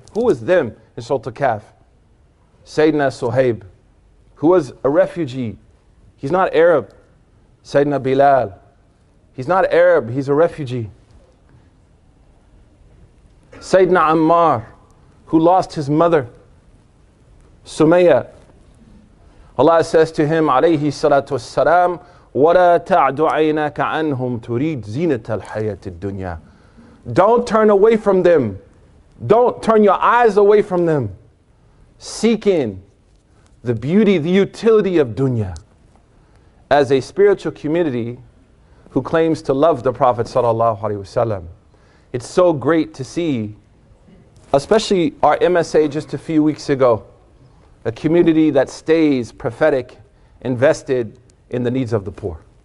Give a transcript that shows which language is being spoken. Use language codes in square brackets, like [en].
[en] Who is them in Surah Al-Kahf? Sayyidina Suhaib, who was a refugee. He's not Arab. Sayyidina Bilal, he's not Arab, he's a refugee. Sayyidina Ammar, who lost his mother, Sumayya. Allah says to him, [ar] alayhi salatu wassalam, وَلَا تَعْدُ عَيْنَكَ عَنْهُمْ تُرِيدْ زِينَةَ الْحَيَةِ الدُّنْيَا. [en] Don't turn away from them. Don't turn your eyes away from them. Seeking the beauty, the utility of dunya. As a spiritual community who claims to love the Prophet sallallahu alaihi wasallam, it's so great to see, especially our MSA just a few weeks ago, a community that stays prophetic, invested in the needs of the poor.